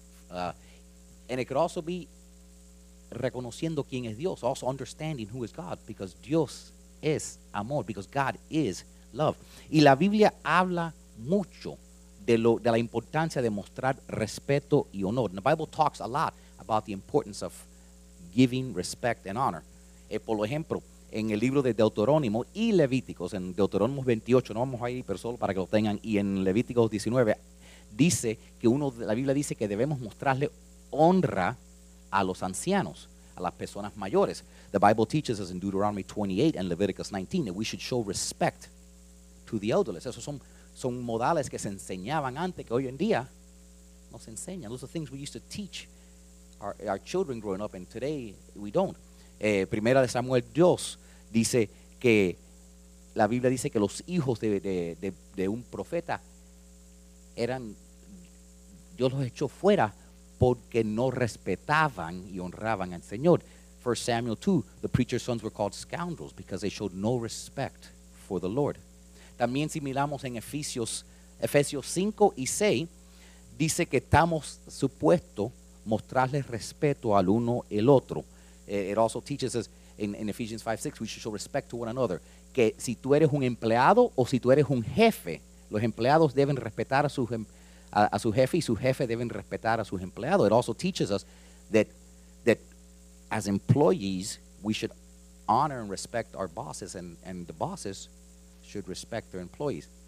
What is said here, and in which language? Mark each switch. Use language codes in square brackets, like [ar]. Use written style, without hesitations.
[en] And it could also be [es] reconociendo quién es Dios. [en] Also understanding who is God. Because [es] Dios es amor. [en] Because God is love. [es] Y la Biblia habla mucho de la importancia de mostrar respeto y honor. [en] And the Bible talks a lot about the importance of giving respect and honor. [es] Por ejemplo, en el libro de Deuteronomio y Levíticos, en Deuteronomio 28, no vamos a ir, pero solo para que lo tengan, y en Levíticos 19, dice que uno, la Biblia dice que debemos mostrarle honra a los ancianos, a las personas mayores. [en] The Bible teaches us in Deuteronomy 28 and Leviticus 19 that we should show respect to the elderly. [es] Esos son modales que se enseñaban antes, que hoy en día no se enseñan. [en] Those are things we used to teach our children growing up, and today we don't. [es] Primera de Samuel 2 dice que la Biblia dice que los hijos de un profeta eran, Dios los echó fuera porque no respetaban y honraban al Señor. [en] 1 Samuel 2, the preacher's sons were called scoundrels because they showed no respect for the Lord. [es] También si miramos en Efesios 5 y 6, dice que estamos supuestos mostrarles respeto al uno el otro. [en] It also teaches us in Ephesians 5, 6, we should show respect to one another. [es] Que si tú eres un empleado o si tú eres un jefe, los empleados deben respetar a su jefe y su jefe deben respetar a sus empleados. [en] It also teaches us that as employees, we should honor and respect our bosses and the bosses should respect their employees.